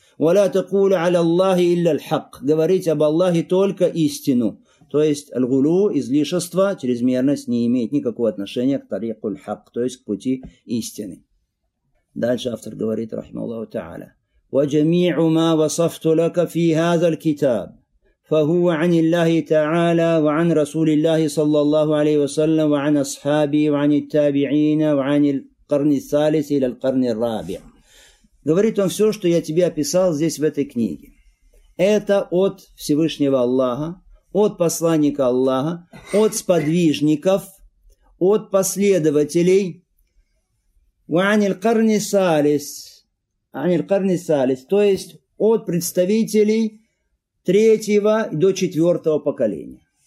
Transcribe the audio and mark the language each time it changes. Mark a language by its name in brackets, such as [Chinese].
[Arabic] «Ва ля тагулу аля Аллахи илля л-хак». [Russian] Говорите об Аллахе только истину. То есть аль-гулу, излишество, чрезмерность, не имеет никакого отношения к тариқу л-хак, то есть к пути истины. Дальше автор говорит, рахима Аллаху та'аля: [Arabic] «Ва джами'у ма васафту лака фи хаза л-китаб». فهو عن الله تعالى وعن رسول الله صلى الله عليه وسلم وعن أصحابه وعن التابعين وعن القرن الثالث إلى القرن الرابع. [Russian] Говорит он, все, что я тебе описал здесь в этой книге, это от Всевышнего Аллаха, от посланника Аллаха, от сподвижников, от последователей. [Arabic] وعن القرن الثالث, عن القرن الثالث, [Russian] то есть от представителей третьего до четвертого поколения.